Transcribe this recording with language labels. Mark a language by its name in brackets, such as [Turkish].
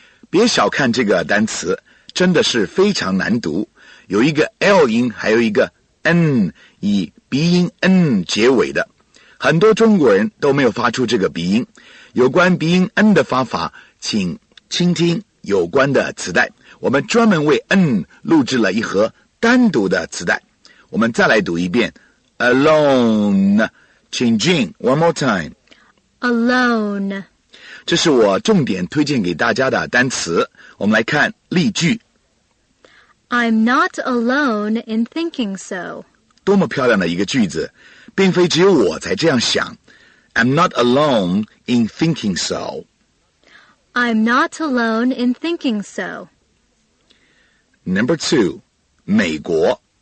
[Chinese] 别小看这个单词真的是非常难读有一个 L 音还有一个 N 以鼻音 N 结尾的很多中国人都没有发出这个鼻音有关鼻音 N 的方法请倾听有关的磁带我们专门为 N 录制了一盒单独的磁带我们再来读一遍 alone 请 Jean [English] one more time alone [Chinese] 这是我重点推荐给大家的单词我们来看例句 [English] I'm not alone in thinking so [Chinese] 多么漂亮的一个句子并非只有我才这样想 [English] I'm not alone in thinking so I'm not alone in thinking so Number two, [Chinese] 美国